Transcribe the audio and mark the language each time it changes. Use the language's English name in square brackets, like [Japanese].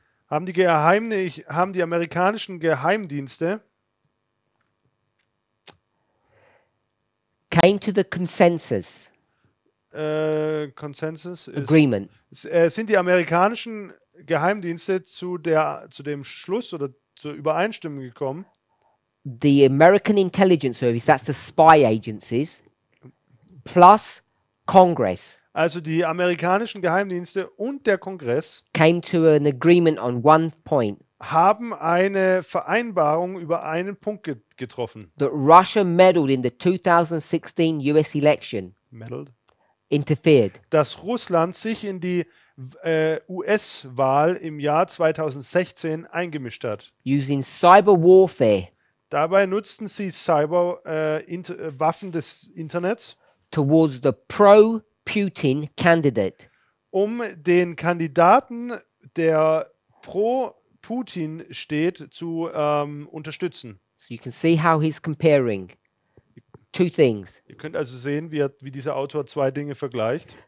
[German] Haben die amerikanischen Geheimdienste [English] came to the consensus. Consensus agreement. [German] Sind die amerikanischen Geheimdienste zu dem Schluss oder zur Übereinstimmung gekommen? [English] The American Intelligence Service, that's the spy agencies, plus Congress. [German] Also die amerikanischen Geheimdienste und der Kongress [English] came to an agreement on one point. [German] Haben eine Vereinbarung über einen Punkt getroffen. [English] That Russia meddled in the 2016 US election. Meddled? Interfered. [German] Dass Russland sich in die US-Wahl im Jahr 2016 eingemischt hat. [English] Using cyber warfare. [German] Dabei nutzten sie Cyber Waffen des Internets [English] towards the pro-Putin candidate, [German] um den Kandidaten, der pro-Putin steht, zu unterstützen. [English] So you can see how he's comparing two things. [German] Ihr könnt also sehen, wie dieser Autor zwei Dinge vergleicht.